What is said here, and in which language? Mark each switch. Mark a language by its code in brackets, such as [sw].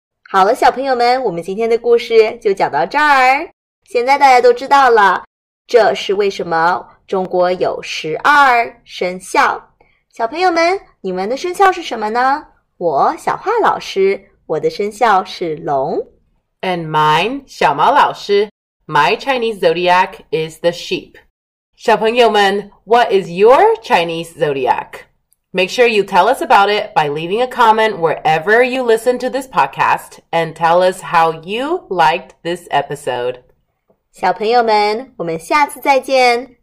[zh] 好了，小朋友们，我们今天的故事就讲到这儿。现在大家都知道了，这是为什么中国有12生肖。小朋友们，你们的生肖是什么呢？我小画老师，我的生肖是龙。 [en] And mine, 小毛老师， My Chinese zodiac is the sheep. [zh] 小朋友们， [en] What is your Chinese zodiac? Make sure you tell us about it by leaving a comment wherever you listen to this podcast and tell us how you liked this episode. [zh] 小朋友们，我们下次再见。